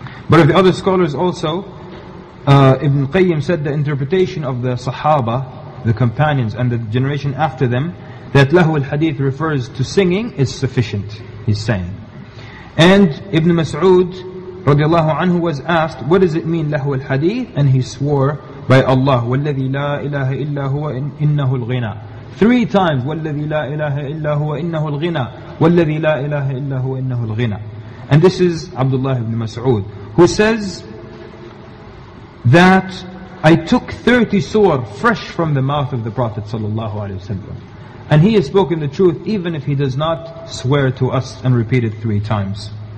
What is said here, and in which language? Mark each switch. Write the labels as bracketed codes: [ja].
[en] But of the other scholars also, Ibn Qayyim said the interpretation of the Sahaba, the companions, and the generation after them, that lahu al-hadith refers to singing is sufficient, he's saying. And Ibn Mas'ud radiallahu anhu was asked, what does it mean, lahu al-hadith? And he swore by Allah, [ar] وَالَّذِي لَا إِلَهَ إِلَّا هُوَ إِنَّهُ الْغِنَى. [en] Three times, [ar] وَالَّذِي لَا إِلَهَ إِلَّا هُوَ إِنَّهُ الْغِنَى. وَالَّذِي لَا إِلَهَ إِلَّا هُوَ إِنَّهُ الْغِنَى. [en] And this is Abdullah ibn Mas'ud, who says that I took 30 surah fresh from the mouth of the Prophet sallallahu alayhi wa sallam. And he has spoken the truth, even if he does not swear to us and repeat it three times.